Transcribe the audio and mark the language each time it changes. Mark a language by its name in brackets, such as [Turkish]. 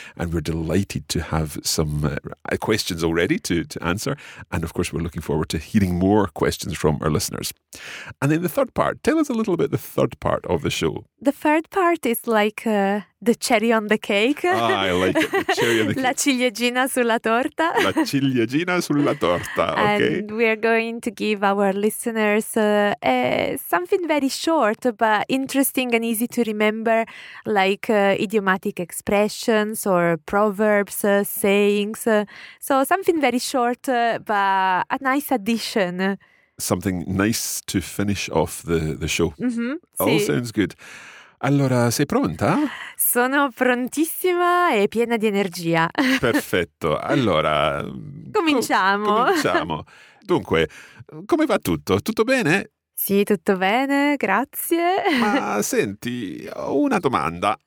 [English] And we're delighted to have some questions already to answer. And of course, we're looking forward to hearing more questions from our listeners. And then the third part. Tell us a little bit the third part of the show. The third part is like the cherry on the cake. Ah, I like it. The cherry on the cake. [Italian] La ciliegina sulla torta. La ciliegina sulla torta. [English] Okay. And we are going to give our listeners something very short but interesting and easy to remember, like idiomatic expressions or proverbs, sayings. So something very short but a nice addition. Something nice to finish off the show. Mm-hmm. All [Italian] sì. [English] Sounds good. [Italian] Allora, sei pronta? Sono prontissima e piena di energia. Perfetto. Allora, cominciamo. Cominciamo. Dunque, come va tutto? Tutto bene? Sì, tutto bene, grazie. Ma senti, ho una domanda.